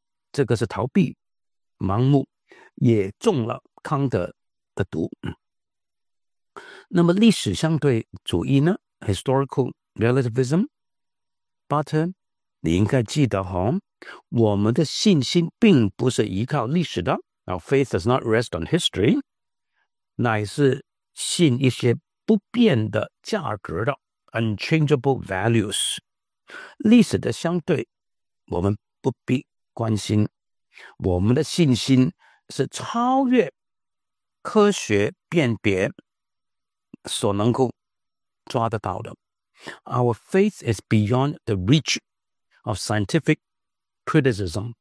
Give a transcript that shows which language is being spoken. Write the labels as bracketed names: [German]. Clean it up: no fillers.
[Chinese] 这个是逃避、盲目，也中了康德的毒。那么历史相对主义呢？Historical Relativism， 巴特，你应该记得哦，我们的信心并不是依靠历史的。 [English] Our faith does not rest on history， [Chinese] 乃是信一些不变的价值的 [English] unchangeable values。 [Chinese] 历史的相对我们不必关心，我们的信心是超越科学辨别所能够抓得到的。 [English] Our faith is beyond the reach of scientific criticism。